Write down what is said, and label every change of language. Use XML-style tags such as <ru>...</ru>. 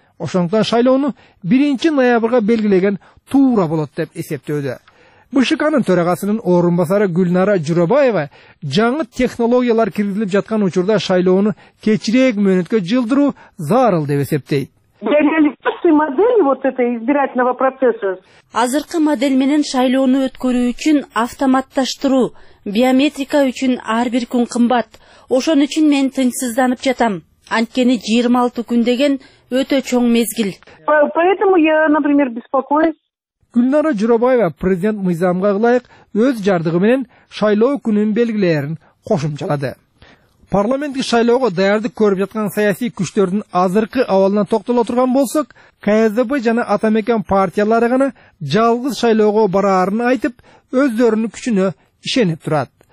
<ky>Ошондуктан шайлоону 1 ноябрга белгилеген туура болот деп эсептөөдө. БШКнын төрагасынын орун басары Гүлнара Жүрөбаева жаңы технологиялар киргизилип жаткан учурда шайлоону кечирээк мөөнөткө жылдыруу зарыл деп эсептейт.</ky> <ru>Модель вот этой избирательного процесса.</ru> <ky>Азыркы модель менен шайлоону өткөрүү үчүн автоматташтыруу, биометрика үчүн ар бир күн кымбат. Ошон үчүн мен тынчсызданып жатам. Анткени 26 күн деген өтө чоң мезгил.</ky> <ru>Поэтому я, например, беспокоюсь.</ru> <ky>Гүлнара Жүрөбаева президент мыйзамга ылайык өз жардыгы менен шайлоо күнүн белгилерин кошумчалады. Парламенттик шайлоого даярдык көрүп жаткан саясий күчтөрдүн азыркы абалына токтоло турган болсок, КСДП жана Атамекен партиялары гана жалгыз шайлоого бараарын айтып, өздөрүнүн күчүнө ишенип турат.</ky>